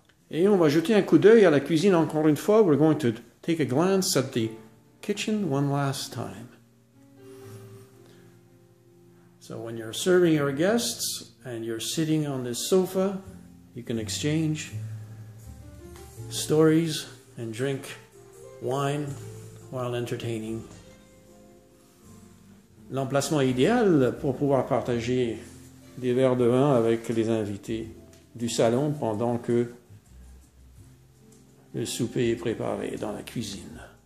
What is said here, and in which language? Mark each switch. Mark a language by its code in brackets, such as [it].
[fr] Et on va jeter un coup d'œil à la cuisine encore une fois. [en] We're going to take a glance at the kitchen one last time. So when you're serving your guests and you're sitting on this sofa, you can exchange stories and drink wine while entertaining. [fr] L'emplacement idéal pour pouvoir partager des verres de vin avec les invités du salon pendant que le souper est préparé dans la cuisine.